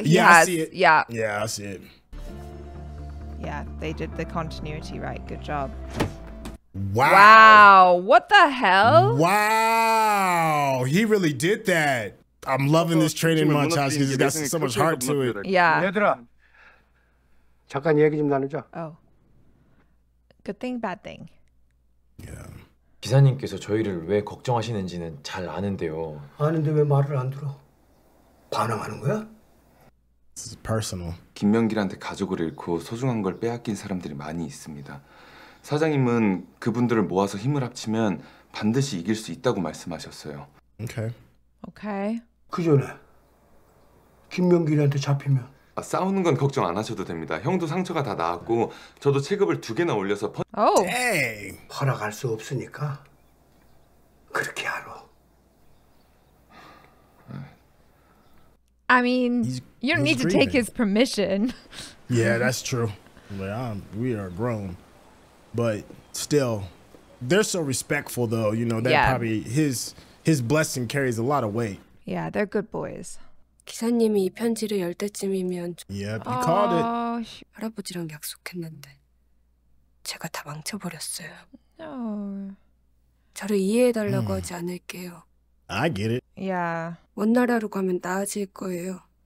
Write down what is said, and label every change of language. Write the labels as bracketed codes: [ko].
[en] Yeah, I see it. Yeah. Yeah, I see it. Yeah, they did the continuity right. Good job. Wow. Wow. What the hell? Wow. He really did that. I'm loving this training montage because it's got so much heart to it. Yeah. [ko] 얘들아, 잠깐 얘기 좀 나누자. [en] Oh. Good thing, bad thing. Yeah. [ko] 기사님께서 저희를 왜 걱정하시는지는 잘 아는데요. 아는데 왜 말을 안 들어? 반항하는 거야? [en] This is personal. [ko] 김명길한테 가족을 잃고 소중한 걸 빼앗긴 사람들이 많이 있습니다. 사장님은 그분들을 모아서 힘을 합치면 반드시 이길 수 있다고 말씀하셨어요. [en] 오케이. Okay. 오케이. [ko] 그 전에 김명길한테 잡히면 아, 싸우는 건 걱정 안 하셔도 됩니다. 형도 상처가 다 나았고 저도 체급을 두 개나 올려서 허락할 수 없으니까 그렇게 하러. [en] I mean, you don't need to take his permission. Yeah, that's true. Well, we are grown. But still, they're so respectful, though. You know, that probably his blessing carries a lot of weight. Yeah, they're good boys. [ko] 기사님이 이 편지를 열 때쯤이면 [en] Yep, you called it. [ko] 할아버지랑 약속했는데 제가 다 망쳐버렸어요. [en] No. [ko] 저를 이해해달라고 하지 않을게요. [en] I get it. Yeah. [ko] 원나라로 가면 나아질 거예요.